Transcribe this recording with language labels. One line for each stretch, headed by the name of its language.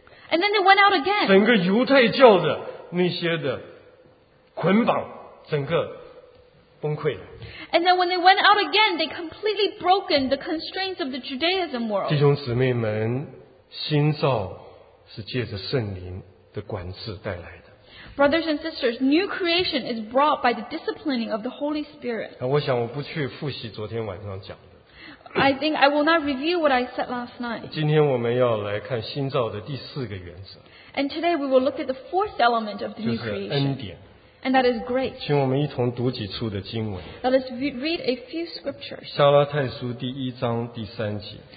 English: and then they went out again.
Chinese: 整个犹太教的那些的捆绑, 整个
English: and then when they went out again, they completely broken the constraints of the Judaism world.
Chinese: 弟兄姊妹们, 新造是借着圣灵的管制带来的。
English: Brothers and sisters, new creation is brought by the disciplining of the Holy Spirit.
Chinese: 我想我不去复习昨天晚上讲的。
English: I think I will not review what I said last night.
Chinese: 今天我们要来看新造的第四个原则。
English: And today we will look at the fourth element of the new creation. And that is great.
Chinese: 请我们一同读几处的经文。
English: Let us read a few scriptures.
Chinese: 加拉太书第一章第三节。